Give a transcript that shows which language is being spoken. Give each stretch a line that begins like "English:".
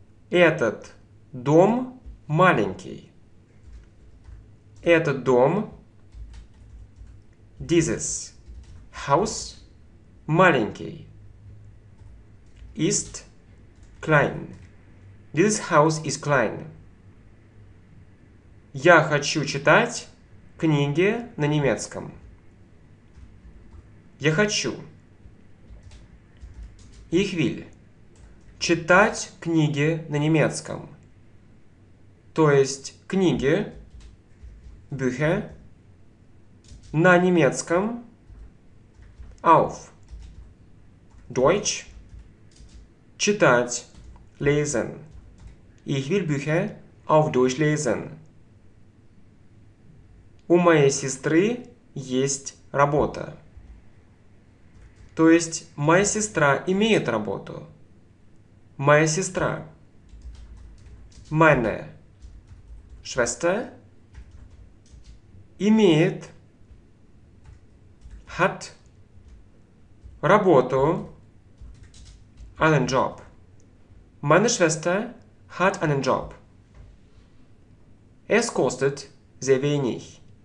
Russian: Этот дом маленький. Этот дом,
German: dieses Haus,
Russian: маленький,
German: ist klein. Dieses Haus ist klein.
Russian: Я хочу читать книги на немецком. Я хочу.
German: Ich will
Russian: читать книги на немецком. То есть книги,
German: Bücher,
Russian: на немецком,
German: auf Deutsch,
Russian: читать,
German: lesen. Ich will Bücher auf Deutsch lesen.
Russian: У моей сестры есть работа. То есть, моя сестра имеет работу. Моя сестра.
German: Meine Schwester
Russian: имеет,
German: hat
Russian: работу,
German: einen Job. Meine Schwester hat einen Job. Es kostet sehr wenig.